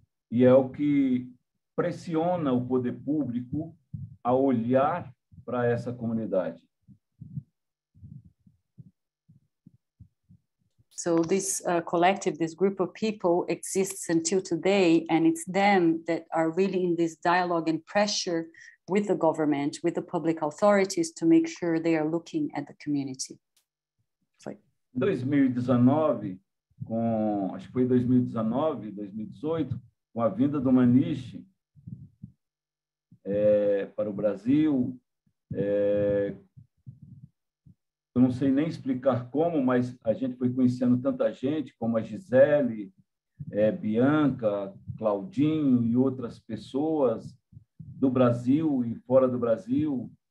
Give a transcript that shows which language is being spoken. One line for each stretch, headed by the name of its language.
Portuguese: E é o que pressiona o poder público a olhar para essa comunidade.
English: So this collective, this group of people exists until today, and it's them that are really in this dialogue and pressure with the government, with the public authorities, to make sure they are looking at the community.
Portuguese: Foi. 2019, acho que foi 2019, 2018, com a vinda do Manish para o Brasil, eu não sei nem explicar como, mas a gente foi conhecendo tanta gente, como a Gisele, Bianca, Claudinho e outras pessoas do Brasil e fora do Brasil.